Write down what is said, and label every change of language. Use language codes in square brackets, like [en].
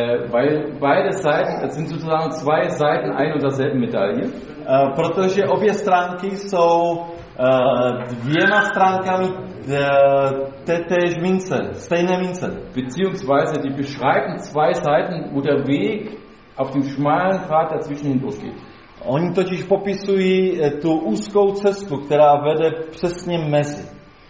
[de] Weil beide Seiten, es sind sozusagen zwei Seiten ein und derselben Medaille. [cs] Protože obě stránky jsou dvěma stránkami tétéž mince, stejné mince. [de] Beziehungsweise die beschreiben zwei Seiten, wo der Weg auf dem schmalen Pfad dazwischen hindurchgeht. [cs] Oni totiž popisují tu úzkou cestu, která vede přesně mezi.